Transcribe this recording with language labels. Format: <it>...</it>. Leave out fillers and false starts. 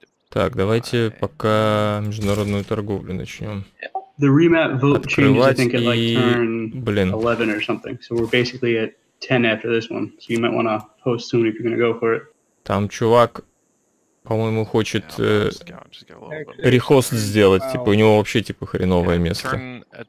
<ru>Так, давайте пока международную торговлю начнем.</ru> <en>The remap vote changes, I think, at like turn 11 or something. So we're basically at 10 after this one. So you might want to post soon if you're going to go for it.</en> <ru>Там чувак по-моему, хочет рехост сделать. Типа, у него вообще, типа, хреновое место.</ru>